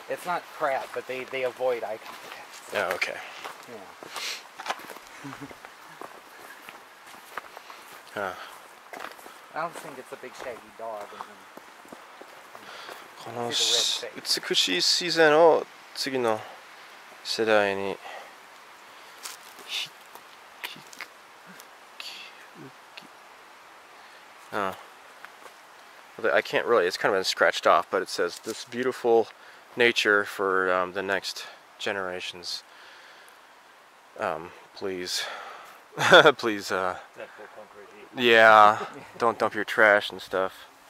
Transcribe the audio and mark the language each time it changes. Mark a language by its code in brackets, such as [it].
[en] It's not crap, but they avoid eye contact. So. Oh, okay. Yeah. Huh. I don't think it's a big shaggy dog. [ja] この美しい自然を次の世代に引き受け。 [en] I can't really. It's kind of been scratched off, but it says this beautiful nature for the next generations. Please. Please, yeah, don't dump your trash and stuff.